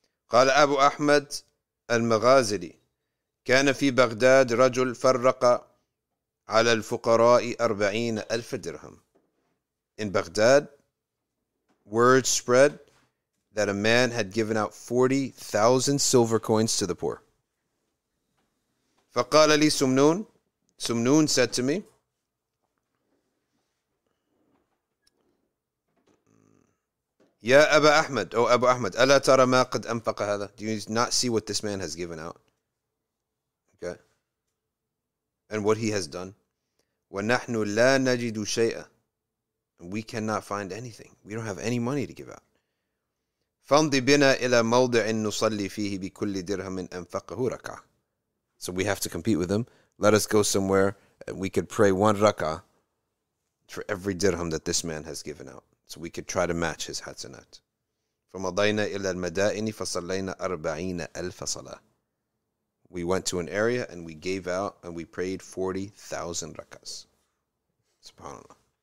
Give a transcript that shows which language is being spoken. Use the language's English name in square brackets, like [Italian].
[Arabic] قال أبو أحمد المغازلي كان في بغداد رجل فرق على الفقراء 40,000 درهم. [English] In Baghdad, word spread that a man had given out 40,000 silver coins to the poor. [Arabic] فقال لي سمنون. سمنون [English] said to me, [Arabic] يا أبا أحمد, [English] oh Abu Ahmad, [Arabic] ألا ترى ما قد أنفق هذا? [English] Do you not see what this man has given out? Okay. And what he has done. [Arabic] ونحن لا نجد شيئا. [English] We cannot find anything. We don't have any money to give out. [Arabic] فانضي بنا إلى موضع نصلي فيه بكل درهم أنفقه ركعة. [English] So we have to compete with him. Let us go somewhere and we could pray one raka for every dirham that this man has given out. So we could try to match his hatsanat. [Arabic] فَمَضَيْنَا إِلَى الْمَدَائِنِ فَصَلَّيْنَا 40,000 صَلَاةً. [English] We went to an area and we gave out and we prayed 40,000 rakas. SubhanAllah.